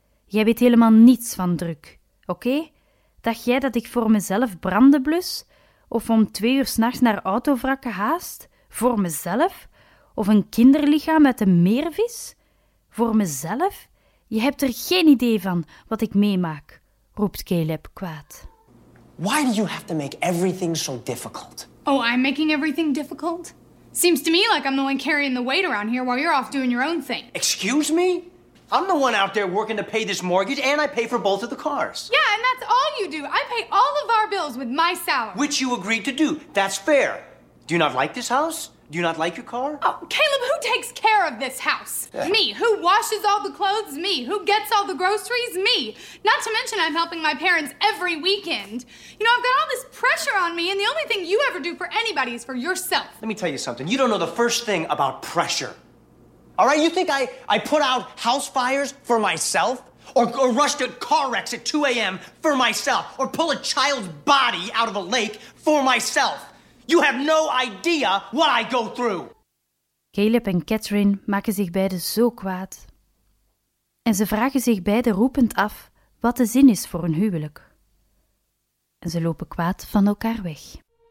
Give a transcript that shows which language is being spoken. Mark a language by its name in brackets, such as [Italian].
[Dutch] Jij weet helemaal niets van druk, oké? Dacht jij dat ik voor mezelf branden blus? Of om 2 uur 's nachts naar autowrakken haast? Voor mezelf? Of een kinderlichaam met een meervis? Voor mezelf? Je hebt er geen idee van wat ik meemaak, roept Caleb kwaad. [English] Why do you have to make everything so difficult? Oh, I'm making everything difficult? Seems to me like I'm the one carrying the weight around here while you're off doing your own thing. Excuse me? I'm the one out there working to pay this mortgage and I pay for both of the cars. Yeah, and that's all you do. I pay all of our bills with my salary. Which you agreed to do. That's fair. Do you not like this house? Do you not like your car? Oh, Caleb, who takes care of this house? Yeah. Me. Who washes all the clothes? Me. Who gets all the groceries? Me. Not to mention I'm helping my parents every weekend. You know, I've got all this pressure on me, and the only thing you ever do for anybody is for yourself. Let me tell you something. You don't know the first thing about pressure. All right? You think I put out house fires for myself? Or rush to car wrecks at 2 a.m. for myself? Or pull a child's body out of a lake for myself? You have no idea what I go through. [Dutch] Caleb en Catherine maken zich beide zo kwaad. En ze vragen zich beide roepend af wat de zin is voor een huwelijk. En ze lopen kwaad van elkaar weg.